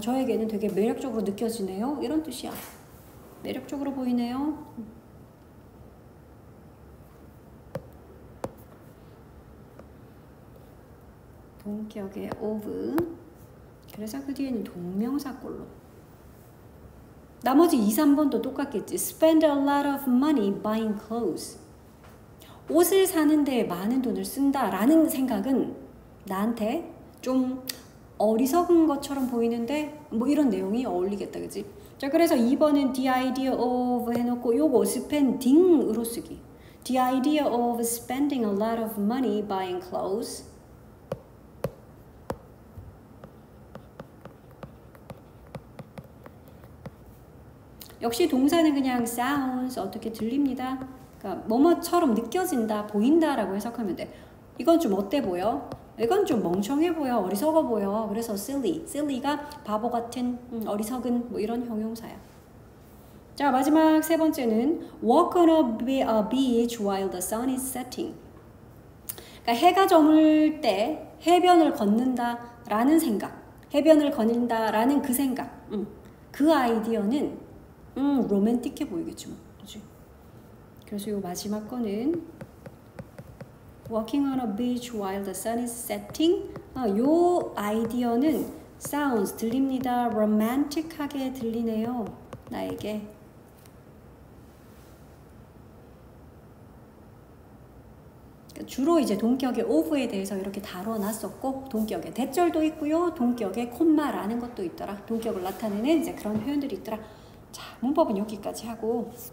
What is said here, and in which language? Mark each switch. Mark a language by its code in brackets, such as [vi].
[ko] 저에게는 되게 매력적으로 느껴지네요. 이런 뜻이야. 매력적으로 보이네요. 동격의 of. 그래서 그 뒤에는 동명사 꼴로. 나머지 2, 3번도 똑같겠지. [en] Spend a lot of money buying clothes. [ko] 옷을 사는데 많은 돈을 쓴다 라는 생각은 나한테 좀 어리석은 것처럼 보이는데 뭐 이런 내용이 어울리겠다, 그치? 자, 그래서 2번은 [en] the idea of [ko] 해놓고 요거 [en] spending [ko] 으로 쓰기. [en] The idea of spending a lot of money buying clothes. [ko] 역시 동사는 그냥 sounds, 어떻게 들립니다. 그러니까 뭐뭐처럼 느껴진다, 보인다 라고 해석하면 돼. 이건 좀 어때 보여? 이건 좀 멍청해 보여, 어리석어 보여. 그래서 silly, silly가 바보 같은, 어리석은 뭐 이런 형용사야. 자, 마지막 세 번째는 [en] walk on a beach while the sun is setting. [ko] 그러니까 해가 저물 때 해변을 걷는다라는 생각, 해변을 거닌다라는 그 생각, 그 아이디어는 로맨틱해 보이겠죠, 그렇지? 그래서 이 마지막 거는 [en] walking on a beach while the sun is setting. [ko] 이 아이디어는 sounds 들립니다, romantic하게 들리네요, 나에게. 주로 이제 동격의 of에 대해서 이렇게 다뤄놨었고, 동격의 대절도 있고요, 동격의 콤마라는 것도 있더라, 동격을 나타내는 이제 그런 표현들이 있더라. 자, 문법은 여기까지 하고.